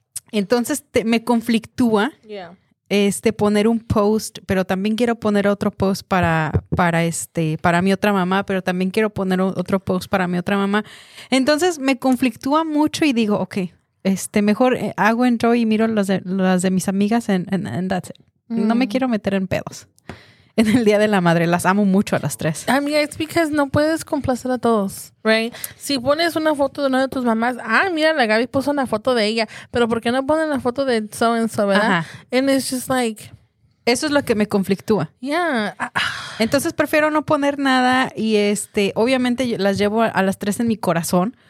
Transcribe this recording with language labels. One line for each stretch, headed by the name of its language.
Spanish: entonces me conflictúa poner un post, pero también quiero poner otro post para mi otra mamá, pero también quiero poner otro post para mi otra mamá. Entonces me conflictúa mucho y digo, ok, mejor hago entro y miro las de mis amigas
English: and that's it.
Spanish: Mm. No me quiero meter en pedos. En el Día de la Madre. Las amo mucho a las tres.
English: I mean, it's because
Spanish: no puedes complacer a todos, right? Si pones una foto de una de tus mamás, mira, la Gaby puso una foto de ella. Pero ¿por qué no ponen la foto de so-and-so, verdad?
English: Ajá. And it's just like...
Spanish: Eso es lo que me conflictúa.
English: Yeah.
Spanish: Entonces prefiero no poner nada y obviamente las llevo a las tres en mi corazón.